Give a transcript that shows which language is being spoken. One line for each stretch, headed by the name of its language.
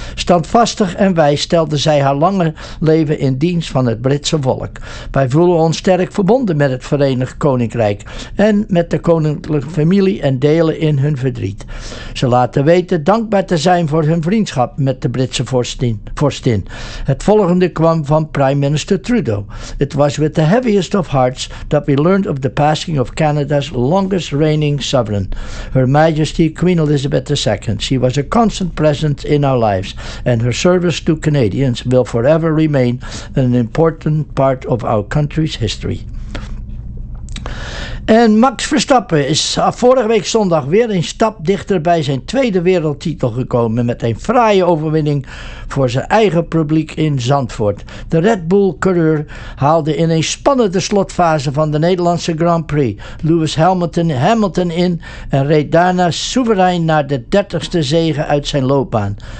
Dutch: Standvastig en wijs stelde zij haar lange leven in dienst van het Britse volk. Wij voelen ons sterk verbonden met het Verenigd Koninkrijk en met de koninklijke familie en delen in hun verdriet. Ze laten weten dankbaar te zijn voor hun vriendschap met de Britse vorstin. Het volgende kwam van Prime Minister Trudeau.
English: It was with the heaviest of hearts that we learned of the passing of Canada's longest reigning sovereign, Her Majesty Queen Elizabeth II. She was a constant presence in our lives and her service to Canadians will forever remain an important part of our country's history.
Dutch: En Max Verstappen is vorige week zondag weer een stap dichter bij zijn tweede wereldtitel gekomen met een fraaie overwinning voor zijn eigen publiek in Zandvoort. De Red Bull coureur haalde in een spannende slotfase van de Nederlandse Grand Prix Lewis Hamilton in en reed daarna soeverein naar de 30ste zege uit zijn loopbaan.